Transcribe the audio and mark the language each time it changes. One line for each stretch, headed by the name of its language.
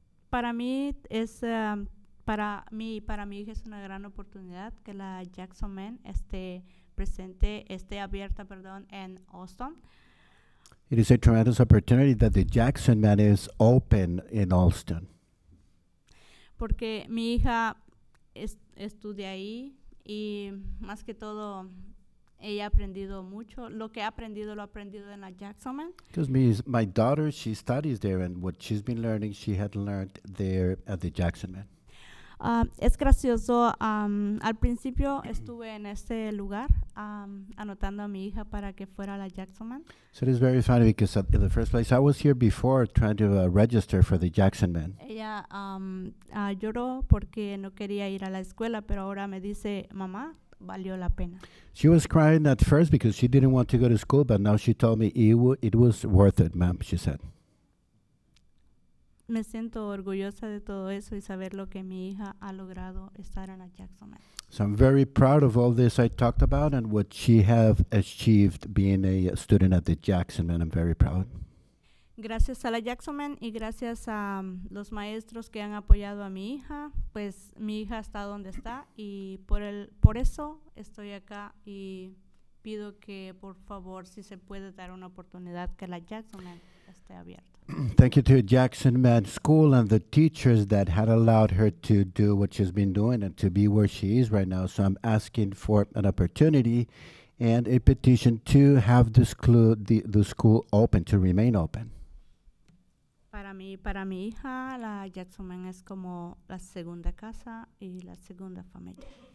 Spanish: Para mí es, para mí y para mi hija es una gran oportunidad que la Jackson Man esté presente, esté abierta, perdón, en Austin.
English: It is a tremendous opportunity that the Jackson Man is open in Austin.
Spanish: Porque mi hija estudia ahí y más que todo ella ha aprendido mucho. Lo que ha aprendido lo ha aprendido en la Jackson Man.
English: Because my daughter, she studies there and what she's been learning, she had learned there at the Jackson Man.
Spanish: Es gracioso, al principio estuve en ese lugar anotando a mi hija para que fuera a la Jackson Man.
English: So it is very funny because in the first place I was here before trying to register for the Jackson Man.
Spanish: Ella lloró porque no quería ir a la escuela, pero ahora me dice, mamá, valió la pena.
English: She was crying at first because she didn't want to go to school, but now she told me it was worth it, ma'am, she said.
Spanish: Me siento orgullosa de todo eso y saber lo que mi hija ha logrado estar en la Jackson Man.
English: So I'm very proud of all this I talked about and what she have achieved being a student at the Jackson Man. I'm very proud.
Spanish: Gracias a la Jackson Man y gracias a los maestros que han apoyado a mi hija, pues mi hija está donde está y por eso estoy acá y pido que por favor si se puede dar una oportunidad que la Jackson Man esté abierta.
English: Thank you to Jackson Man School and the teachers that had allowed her to do what she's been doing and to be where she is right now. So I'm asking for an opportunity and a petition to have the school open, to remain open.
Spanish: Para mi hija, la Jackson Man es como la segunda casa y la segunda familia.